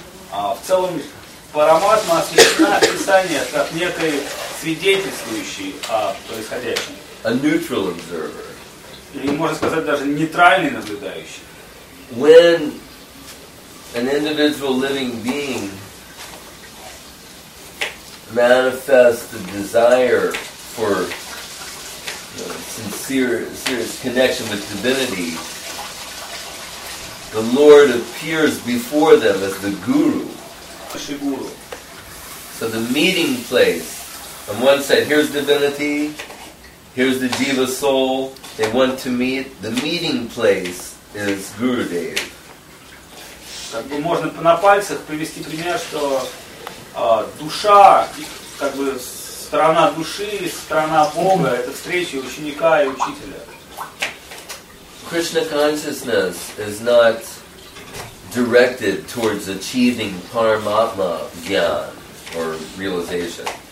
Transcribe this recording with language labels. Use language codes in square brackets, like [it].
[ru] В целом, Параматма освящена в Писании как некое свидетельствующий о происходящем. [en] A neutral observer. [ru] Или можно сказать даже нейтральный наблюдающий. [en] When an individual living being manifest the desire for serious connection with divinity, the Lord appears before them as the guru. So the meeting place, on one side, here's divinity, here's the jiva soul, they want to meet, the meeting place is Gurudev. [ru] Как бы можно на пальцах привести пример, что душа, как бы сторона души, сторона Бога, это встреча ученика и учителя. [en] Krishna consciousness is not directed towards achieving paramatma jnana or realization.